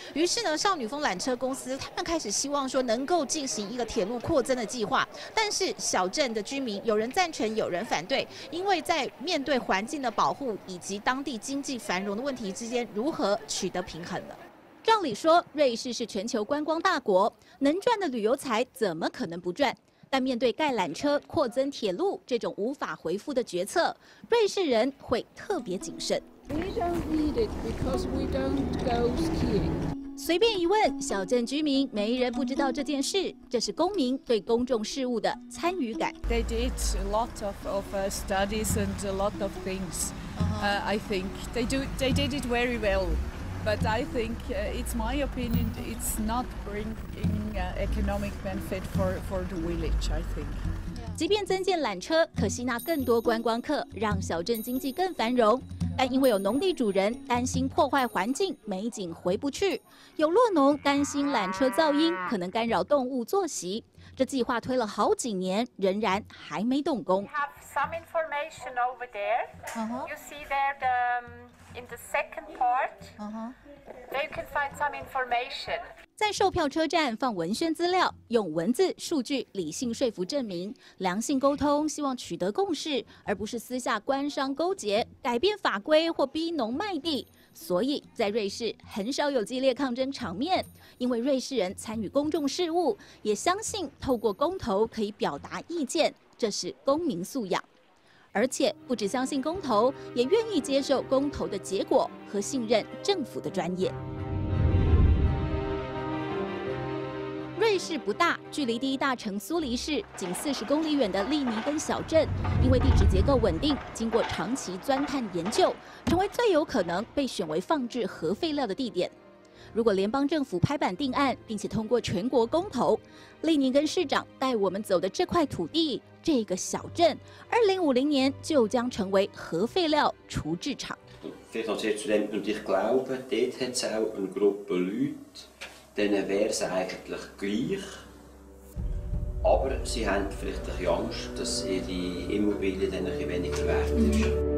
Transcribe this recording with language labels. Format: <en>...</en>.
<zh>于是呢，少女峰缆车公司他们开始希望说能够进行一个铁路扩增的计划，但是小镇的居民有人赞成有人反对，因为在面对环境的保护以及当地经济繁荣的问题之间如何取得平衡的。照理说，瑞士是全球观光大国，能赚的旅游财怎么可能不赚？但面对盖缆车、扩增铁路这种无法回复的决策，瑞士人会特别谨慎。</zh> <en>We don't need it because we don't go skiing.</en> <zh>随便一问，小镇居民没人不知道这件事。这是公民对公众事务的参与感。</zh> <en>They did a lot of studies and a lot of things. I think they did it very well, but I think it's my opinion, it's not bringing economic benefit for the village, I think.</en> <zh>即便增建缆车可吸纳更多观光客，让小镇经济更繁荣，但因为有农地主人担心破坏环境，美景回不去，有落农担心缆车噪音可能干扰动物作息，这计划推了好几年，仍然还没动工。</zh> <en>We have some information over there. You see there the in the second part. There you can find some information.</en> <zh>在售票车站放文宣资料，用文字、数据理性说服证明，良性沟通，希望取得共识，而不是私下官商勾结、改变法规或逼农卖地。所以在瑞士很少有激烈抗争场面，因为瑞士人参与公众事务，也相信透过公投可以表达意见，这是公民素养。而且不只相信公投，也愿意接受公投的结果和信任政府的专业。瑞士不大，距离第一大城苏黎世仅40公里远的利尼根小镇，因为地质结构稳定，经过长期钻探研究，成为最有可能被选为放置核废料的地点。如果联邦政府拍板定案，并且通过全国公投，利尼根市长带我们走的这块土地，这个小镇，2050年就将成为核废料处置厂。</zh> <de>vielleicht noch sehr zu dem, und ich glaube, dort hat es auch eine Gruppe Leute, denen wäre es eigentlich gleich. Aber sie haben vielleicht ein bisschen Angst, dass ihre Immobilie dann ein bisschen weniger wert ist.</de>